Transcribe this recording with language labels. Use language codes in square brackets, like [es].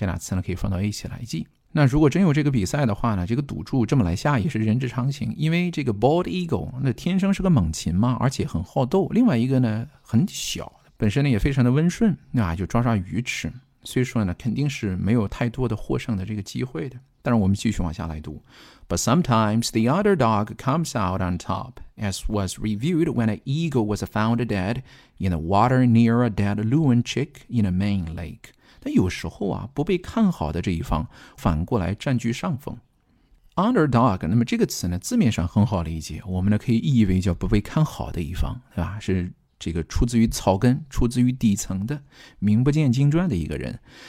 [zh] 这俩词呢可以放到一起来记。那如果真有这个比赛的话呢，这个赌注这么来下也是人之常情，因为这个 bald eagle 那天生是个猛禽嘛，而且很好斗，另外一个呢很小，本身呢也非常的温顺，对吧？就抓抓鱼吃，所以说呢肯定是没有太多的获胜的这个机会的。但是我们继续往下来读。 [en] But sometimes the underdog comes out on top, as was reviewed when an eagle was found dead in the water near a dead loon chick in a Maine lake. [zh] 但有时候啊，不被看好的这一方反过来占据上风。 Underdog, 那么这个词呢，字面上很好理解，我们呢可以意义为叫不被看好的一方，对吧？是这个出自于草根，出自于底层的，名不见经传的一个人。